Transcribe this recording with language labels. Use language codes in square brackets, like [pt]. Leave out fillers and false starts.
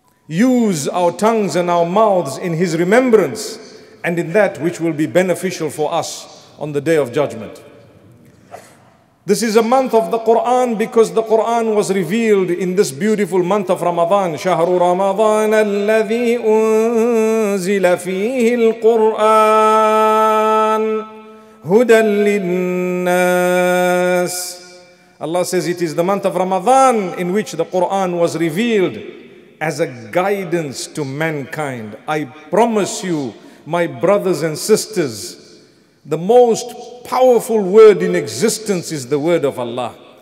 [en] use our tongues and our mouths in His remembrance and in that which will be beneficial for us on the Day of Judgment. This is a month of the Quran because the Quran was revealed in this beautiful month of Ramadan. [ar] شهر رمضان الذي أنزل فيه القرآن هدى للناس. [en] Allah says it is the month of Ramadan in which the Quran was revealed as a guidance to mankind. I promise you, my brothers and sisters, the most powerful word in existence is the word of Allah.